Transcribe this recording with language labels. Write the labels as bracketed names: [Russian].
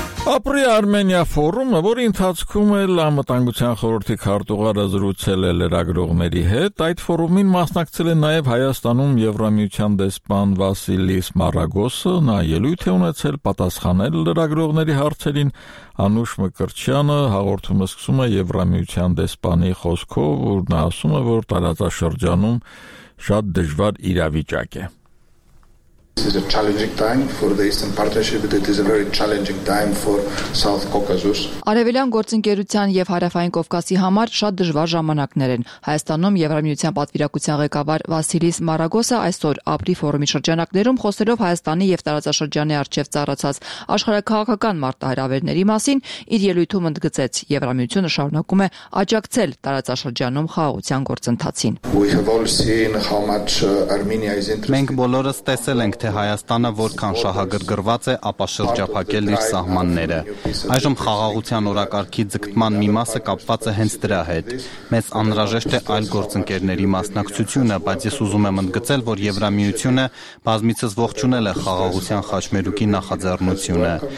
[Armenian] Ապրի Արմենիա ֆորումը, որի ընթացքում էլ անվտանգության խորհրդի քարտուղարը զրուցել է լրագրողների հետ, այդ ֆորումին մասնակցել է նաև Հայաստանում Եվրամիության դեսպան Վասիլիս Մարագոսը, նա ելույթ է ունեցել պատասխանել լրագրողների հարցերին, Անուշ Մկրտչյանը հաղորդումը սկսում է Եվրամիության դեսպանի խոսքով, որ նա ասում է, որ տարածաշրջանում շատ դժվար իրավիճակ է. [English] This is a challenging time for the Eastern Partnership, but it is a very challenging time for South Caucasus. [Armenian] Արևելյան գործընկերության եւ Հարավային Կովկասի համար շատ դժվար ժամանակներ են։ Հայաստանում Եվրամիության պատվիրակության ղեկավար Վասիլիս Մարագոսը այսօր ապրի ֆորումի շրջանակներում խոսելով Հայաստանի եւ տարածաշրջանի առջև ծառացած աշխարհակահաղաղական մարտահրավերների մասին իր ելույթում ընդգծեց, Եվրամիությունը շարունակում է աջակցել տարածաշրջանում խաղաղության գործընթացին։ [English] We have all seen how much Armenia is interested. [Armenian] Մենք բոլորս տեսել ենք, թե Հայաստանը որքան շահագրգռված է ապաշրջափակել իր սահմանները։ Այժմ խաղաղության օրակարգի ձգտման մի մասը կապված է հենց դրա հետ։ Մեզ անհրաժեշտ է այլ գործընկերների մասնակցությունը, բայց ես ուզում եմ ընդգծել, որ Եվրամիությունը բազմիցս ողջունել է խաղաղության խաչմերուկի նախաձեռնությունը։